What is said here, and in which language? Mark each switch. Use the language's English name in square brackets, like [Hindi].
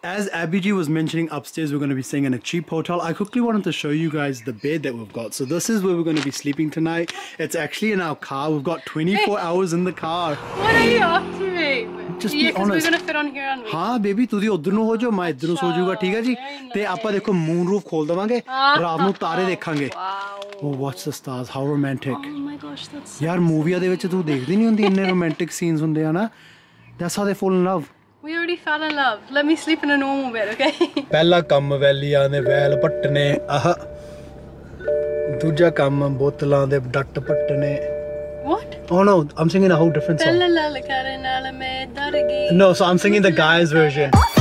[English] As ABBEY'S was mentioning upstairs, we're going to be staying in a cheap hotel. I quickly wanted to show you guys the bed that we've got. So this is where we're going to be sleeping tonight. It's actually in our car. We've got 24 hours in the car. What are you up to, mate? Just be honest. Because we're going to fit on here, aren't we? Haan, baby, you're going to sleep. [Punjabi] ਸੋ ਜੂਗਾ ਠੀਕ ਹੈ ਜੀ ਤੇ ਆਪਾਂ ਦੇਖੋ moon roof ਖੋਲ ਦਵਾਂਗੇ ਰਾਤ ਨੂੰ ਤਾਰੇ ਦੇਖਾਂਗੇ wow watch the stars how romantic [English] oh my gosh that's [Punjabi] ਯਾਰ ਮੂਵੀਆਂ ਦੇ ਵਿੱਚ ਤੂੰ ਦੇਖਦੀ ਨਹੀਂ ਹੁੰਦੀ ਇੰਨੇ ਰੋਮਾਂਟਿਕ ਸੀਨਸ ਹੁੰਦੇ ਆ ਨਾ that's how they fall in love [English] we already fell in love let me sleep in a normal bed okay [Punjabi] ਪਹਿਲਾ ਕੰਮ ਵੈਲੀਆਂ ਦੇ ਵੈਲ ਪੱਟਨੇ ਆਹ ਦੂਜਾ ਕੰਮ ਬੋਤਲਾਂ ਦੇ ਡੱਟ ਪੱਟਨੇ [English] What? Oh no, I'm singing a whole different song. No, so I'm singing the guy's version.